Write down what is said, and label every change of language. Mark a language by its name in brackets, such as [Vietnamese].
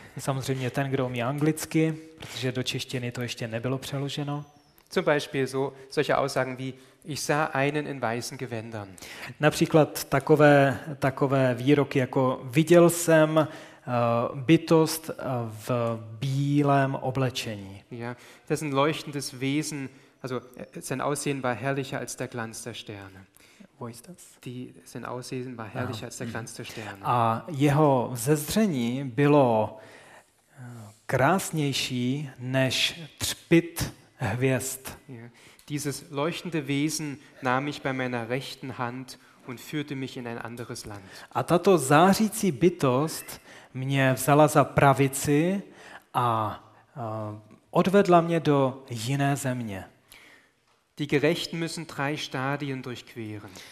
[Czech] Samozřejmě ten, kdo umí anglicky, protože do češtiny to ještě nebylo přeloženo. [German] Zum Beispiel so solche Aussagen wie ich sah einen in weißen Gewändern. [Czech] Například takové výroky jako viděl jsem bytost v bílém oblečení. [German] Ja, das ist ein leuchtendes Wesen, also sein Aussehen war herrlicher als der Glanz der Sterne. Wo ist das? Die sein Aussehen war herrlicher als der Glanz der Sterne. [Czech] A jeho vzezření bylo krásnější než třpit hvězd. [German] Ja. Dieses leuchtende Wesen nahm mich bei meiner rechten Hand und führte mich in ein anderes Land. [Czech] A tato zářící bytost mě vzala za pravici a odvedla mě do jiné země. [German] Die Gerechten müssen drei Stadien durchqueren.